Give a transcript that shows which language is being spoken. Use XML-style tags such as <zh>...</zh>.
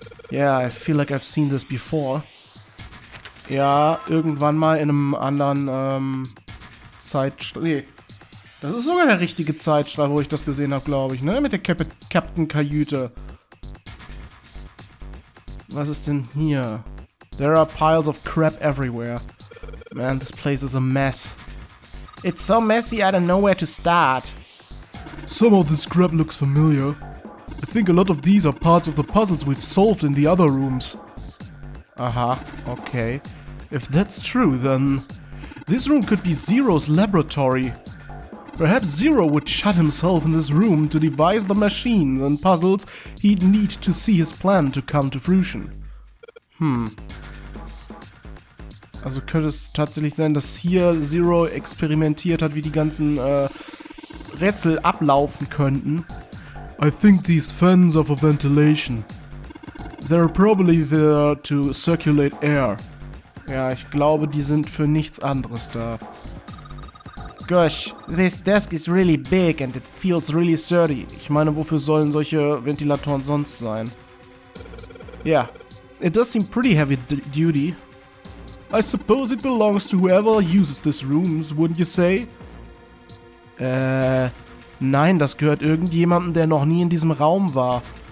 <en>Yeah, I feel like I've seen this before.</en> <de>Ja, irgendwann mal in einem anderen, Zeitstrahl. Nee. Das ist sogar der richtige Zeitstrahl, wo ich das gesehen habe, glaube ich, ne? Mit der Captain-Kajüte. Was ist denn hier?</de> <en>There are piles of crap everywhere. Man, this place is a mess. It's so messy, I don't know where to start. Some of this crap looks familiar. I think a lot of these are parts of the puzzles we've solved in the other rooms. Aha, okay. If that's true, then this room could be Zero's laboratory. Perhaps Zero would shut himself in this room to devise the machines and puzzles he'd need to see his plan to come to fruition. Hmm.</en> <de>Also könnte es tatsächlich sein, dass hier Zero experimentiert hat, wie die ganzen, Rätsel ablaufen könnten.</de> <en>I think these fans are for ventilation. They're probably there to circulate air.</en> <de>Ja, ich glaube, die sind für nichts anderes da.</de> <en>Gosh, this desk is really big and it feels really sturdy.</en> <de>Ich meine, wofür sollen solche Ventilatoren sonst sein?</de> <en>Yeah, it does seem pretty heavy duty. I suppose it belongs to whoever uses this rooms, wouldn't you say?</en> <de>Nein, das gehört irgendjemandem, der noch nie in diesem Raum war.</de>